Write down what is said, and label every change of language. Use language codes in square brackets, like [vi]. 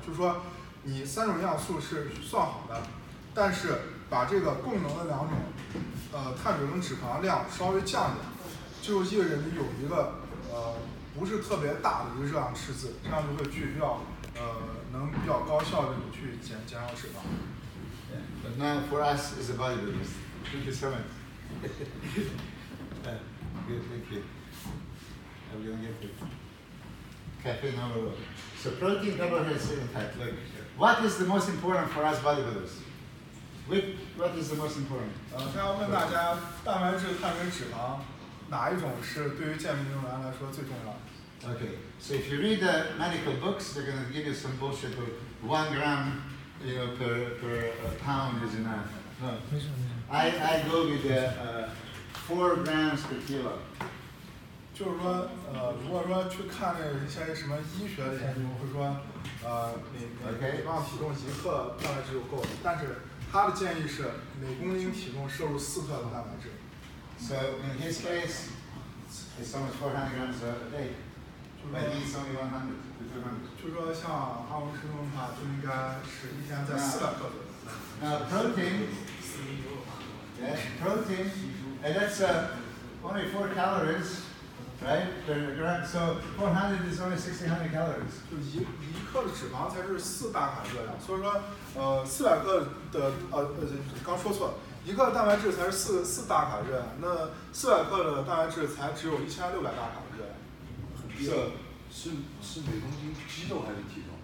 [zh] 就是说，你三种营养素是算好的，但是把这个供能的两种。碳水跟脂肪量稍微降一点，就意味着你有一个不是特别大的一个热量赤字，这样就会去比较能比较高效的去减少脂肪。 [en] Yeah, but now for us is a bodybuilder. Thank you so much. Good, thank you. I'm gonna get it. Caffeine number one. So protein, carbohydrates, and fat. Look, what is the most important for us bodybuilders? What is the most important? [zh] 现在问大家，蛋白质、碳水、脂肪，哪一种是对于健美运动员来说最重要的？ [en] Okay, so if you read the medical books, they're going to give you some bullshit of 1 gram, you know, per pound is enough. No, I go with the 4 grams per kilo. [zh] 就是说，如果说去看那些什么医学的研究，会说，每磅体重一克蛋白质就够了，但是他的建议是每公斤体重摄入4克的蛋白质。 [en] So in his case, it's almost 400 grams a day. But he needs only 100 to 200. [zh] 就说像阿文师兄的话，就应该是一天在400克左右。 [en] Now protein, yeah, protein, and that's only 4 calories, right? Per gram. So 400 is only 1600 calories. [zh] 就一克的脂肪才是400卡热量，所以说。 400克的刚说错了，一个蛋白质才是4大卡热量，那400克的蛋白质才只有1600大卡热量，很低。是每公斤肌肉还是体重？